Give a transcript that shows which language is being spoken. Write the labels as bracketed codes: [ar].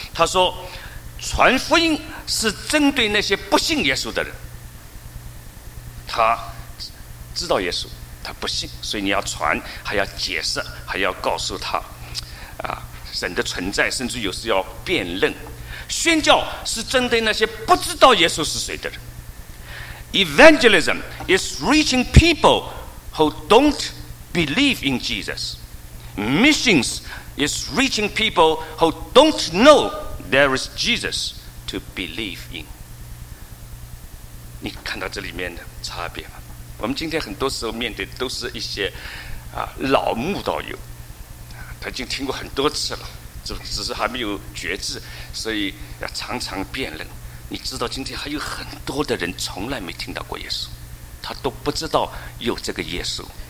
[zh] 他说，传福音是针对那些不信耶稣的人，他知道耶稣，他不信，所以你要传，还要解释，还要告诉他啊神的存在，甚至有时要辩论。宣教是针对那些不知道耶稣是谁的人， [en] Evangelism is reaching people who don't believe in Jesus. Missions is reaching people who don't know there is Jesus to believe in. [zh] 你看到这里面的差别吗？我们今天很多时候面对的都是一些老慕道友，他已经听过很多次了，只是还没有觉知，所以要常常辩论。你知道今天还有很多的人从来没听到过耶稣，他都不知道有这个耶稣。